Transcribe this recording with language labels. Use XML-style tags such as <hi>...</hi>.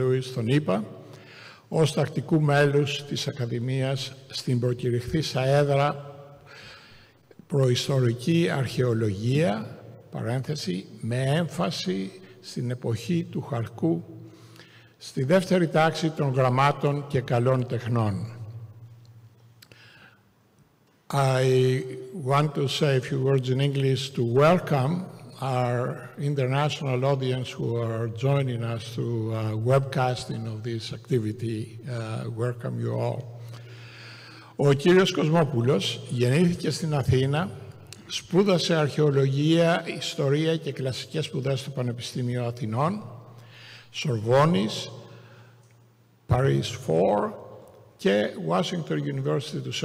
<el>Louis στον ΗΠΑ, ως τακτικού μέλους της Ακαδημίας στην προκηρυχθήσα έδρα προϊστορική αρχαιολογία, παρένθεση, με έμφαση στην εποχή του χαλκού, στη δεύτερη τάξη των γραμμάτων και καλών τεχνών.</el> <en>I want to say a few words in English to welcome our international audience who are joining us through webcasting of this activity. Welcome you all.</en> <el>Ο κύριος Κοσμόπουλος γεννήθηκε στην Αθήνα, σπούδασε αρχαιολογία, ιστορία και κλασικές σπουδές στο Πανεπιστήμιο Αθηνών, Σορβόνης, Paris 4 και Washington University του St.</el>